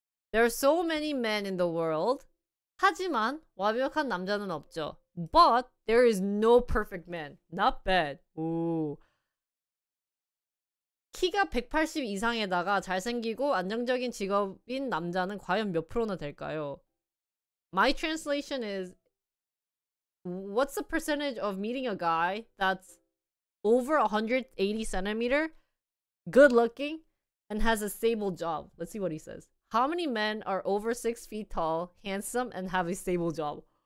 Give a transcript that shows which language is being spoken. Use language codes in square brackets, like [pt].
[en] There are so many men in the world. [ko] 하지만 완벽한 남자는 없죠. [en] But there is no perfect man. Not bad. Ooh. [ko] 키가 180 이상에다가 잘생기고 안정적인 직업인 남자는 과연 몇 프로나 될까요? [en] My translation is What's the percentage of meeting a guy that's over 180 centimeter, good looking, and has a stable job? Let's see what he says. How many men are over 6 feet tall, handsome, and have a stable job?